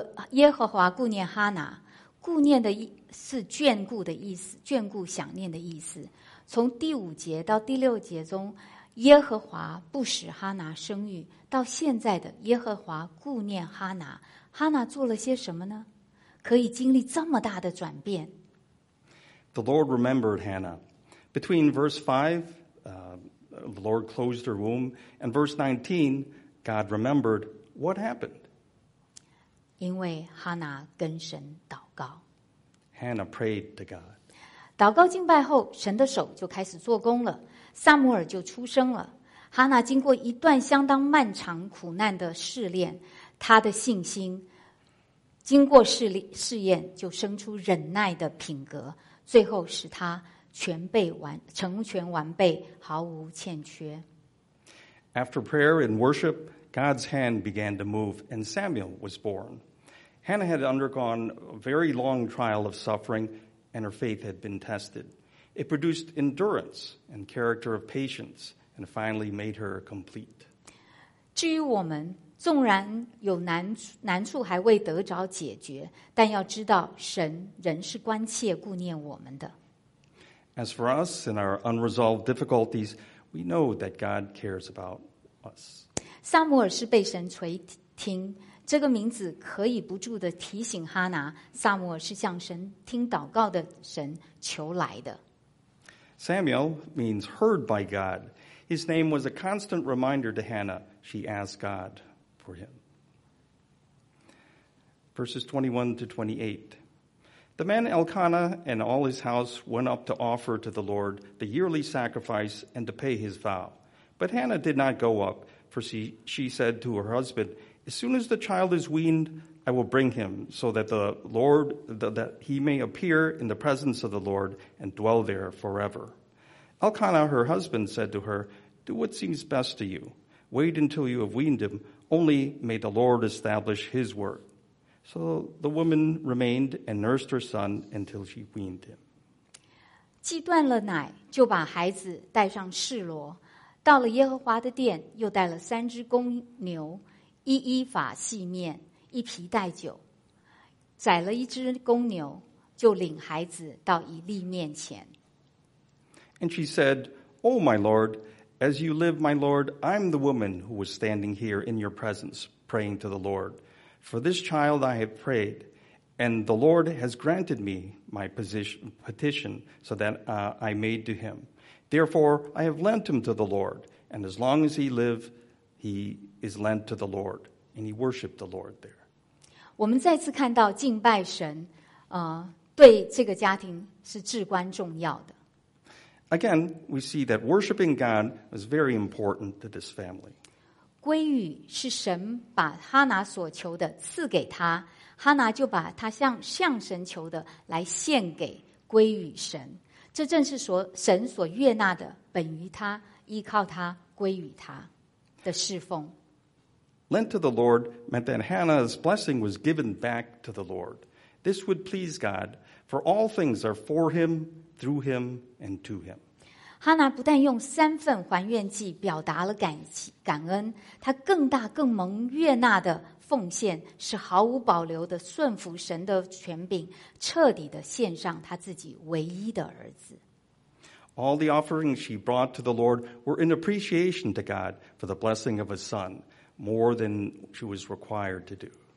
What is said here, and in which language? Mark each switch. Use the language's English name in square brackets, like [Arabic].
[Chinese] 耶和华顾念哈拿，顾念的是眷顾的意思，眷顾想念的意思。从第五节到第六节中，耶和华不使哈拿生育，到现在的耶和华顾念哈拿，哈拿做了些什么呢？可以经历这么大的转变。 [English] The Lord remembered Hannah. Between verse 5, the Lord closed her womb, and verse 19, God remembered what happened. [Chinese] 因为哈拿跟神祷告。 [English] Hannah prayed to God. [Chinese] 祷告敬拜后，神的手就开始做工了，撒母耳就出生了。哈拿经过一段相当漫长苦难的试炼，她的信心经过试验，就生出忍耐的品格，最后使她成全完备，毫无欠缺。 [English] After prayer and worship, God's hand began to move and Samuel was born. Hannah had undergone a very long trial of suffering and her faith had been tested. It produced endurance and character of patience and finally made her complete. [Chinese] 至于我们，纵然有难处还未得着解决，但要知道神仍是关切顾念我们的。 [English] As for us and our unresolved difficulties, we know that God cares about us. [Chinese] 撒母耳是被神垂听，这个名字可以不住地提醒哈拿，撒母耳是向神听祷告的神求来的。 [English] Samuel means heard by God. His name was a constant reminder to Hannah. She asked God for him. Verses 21 to 28. The man Elkanah and all his house went up to offer to the Lord the yearly sacrifice and to pay his vow. But Hannah did not go up, for she said to her husband, As soon as the child is weaned, I will bring him, so that the Lord, that he may appear in the presence of the Lord and dwell there forever. Elkanah, her husband, said to her, Do what seems best to you. Wait until you have weaned him. Only may the Lord establish his word. So the woman remained and nursed her son until she weaned him. [Chinese] 既断了奶，就把孩子带上示罗，到了耶和华的殿，又带了三只公牛，一依法细面，一皮带酒，宰了一只公牛，就领孩子到以利面前。 [English] And she said, Oh, my Lord, as you live, my Lord, I'm the woman who was standing here in your presence, praying to the Lord. For this child I have prayed, and the Lord has granted me my petition so that I made to him. Therefore, I have lent him to the Lord, and as long as he lives, he is lent to the Lord. And he worshiped the Lord there. [Chinese] 我们再次看到敬拜神，对这个家庭是至关重要的。 [English] Again, we see that worshiping God was very important to this family. [Chinese] 归于是神把哈拿所求的赐给他，哈拿就把他向神求的来献给归于神，这正是神所悦纳的，本于他，依靠他，归于他的侍奉。 [English] Lent to the Lord meant that Hannah's blessing was given back to the Lord. This would please God, for all things are for him, through him, and to him. [Chinese] 哈拿不但用三份还愿祭表达了感恩，他更大更蒙悦纳的奉献是毫无保留的顺服神的权柄，彻底的献上他自己唯一的儿子。 [English] All the offerings she brought to the Lord were in appreciation to God for the blessing of a son, more than she was required to do.